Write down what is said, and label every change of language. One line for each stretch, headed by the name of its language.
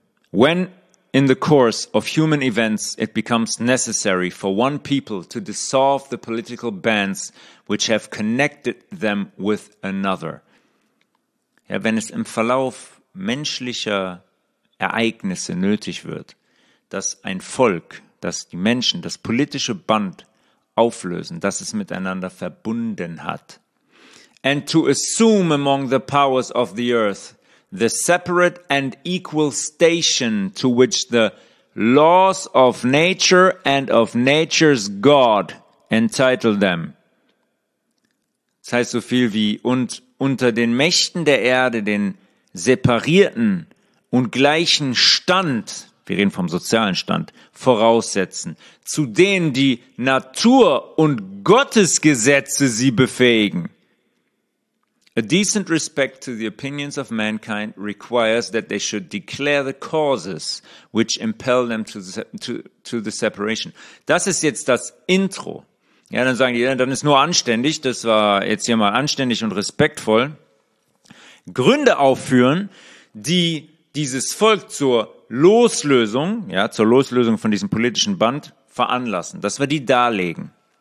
English: When in the course of human events it becomes necessary for one people to dissolve the political bands which have connected them with another.
German: Ja, wenn es im Verlauf menschlicher Ereignisse nötig wird, dass ein Volk, dass die Menschen das politische Band auflösen, dass es miteinander verbunden hat.
English: And to assume among the powers of the earth the separate and equal station to which the laws of nature and of nature's God entitle them.
German: Das heißt so viel wie, und unter den Mächten der Erde den separierten und gleichen Stand, wir reden vom sozialen Stand, voraussetzen, zu denen die Natur und Gottes Gesetze sie befähigen.
English: A decent respect to the opinions of mankind requires that they should declare the causes which impel them to the separation.
German: Das ist jetzt das Intro. Ja, dann sagen die, dann ist nur anständig, das war jetzt hier mal anständig und respektvoll. Gründe aufführen, die dieses Volk zur Loslösung, ja, zur Loslösung von diesem politischen Band veranlassen, dass wir die darlegen.